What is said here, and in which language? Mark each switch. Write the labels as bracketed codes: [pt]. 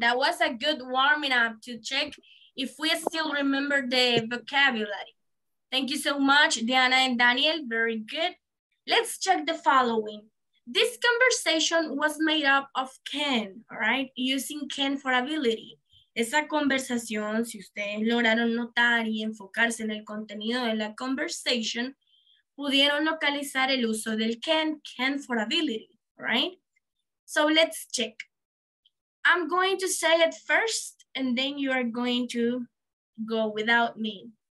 [en] That was a good warming up to check if we still remember the vocabulary. Thank you so much, Diana and Daniel. Very good. Let's check the following. This conversation was made up of can, all right? Using can for ability. [es] Esa conversación, si ustedes lograron notar y enfocarse en el contenido de la conversation, pudieron localizar el uso del can for ability, right? [en] So let's check. I'm going to say it first and then you are going to go without me.